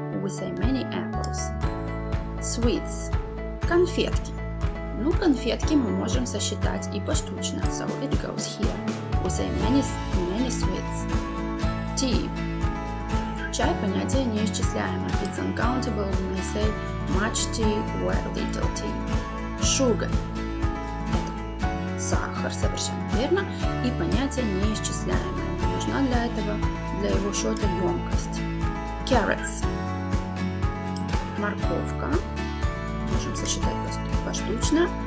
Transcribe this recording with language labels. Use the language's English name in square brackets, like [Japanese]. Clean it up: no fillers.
[English] We say many apples. Sweets. Конфетки. [Russian] Ну, конфетки мы можем сосчитать и поштучно. [English] So it goes here. We say many sweets. Tea. [Russian] Чай – понятие неисчисляемое. [English] It's uncountable, we may say much tea or little tea. [Russian] Sugar – это сахар, совершенно верно. И понятие неисчисляемое. Нужна для этого, для его счета, емкость. Carrots – морковка. Можем сосчитать поштучно.